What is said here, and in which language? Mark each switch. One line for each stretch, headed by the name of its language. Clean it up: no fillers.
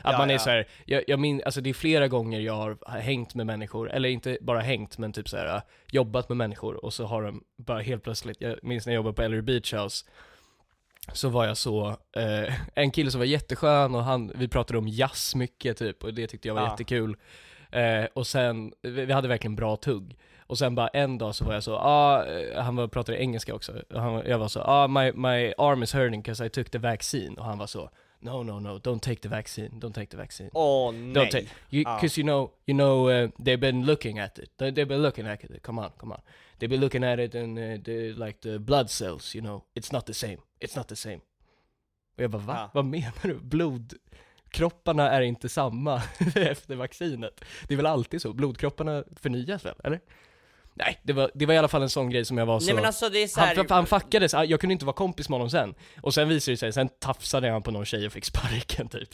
Swedish: Att man är så här, alltså det är flera gånger jag har hängt med människor, eller inte bara hängt, men typ så här, jobbat med människor, och så har de bara helt plötsligt, jag minns när jag jobbade på Ellery Beach House, så var jag så, en kille som var jätteskön, och han, vi pratade om jazz mycket, typ, och det tyckte jag var, ja, jättekul. Och sen, vi hade verkligen bra tugg. Och sen bara en dag så var jag så, han pratade engelska också. Jag var så,
English: my arm is hurting because I took the vaccine.
Swedish: Och han var så,
English: no, don't take the vaccine.
Swedish: Åh, nej.
English: Because you know, they've been looking at it. Come on. They've been looking at it and like the blood cells, you know, it's not the same.
Swedish: Och jag bara, va? Vad menar du? Blodkropparna är inte samma efter vaccinet. Det är väl alltid så, blodkropparna förnyas väl, eller? Nej, det var i alla fall en sån grej som jag var så... Nej, men alltså, det är så här... Han fuckades, jag kunde inte vara kompis med honom sen. Och sen visade det sig, sen tafsade han på någon tjej och fick sparken typ.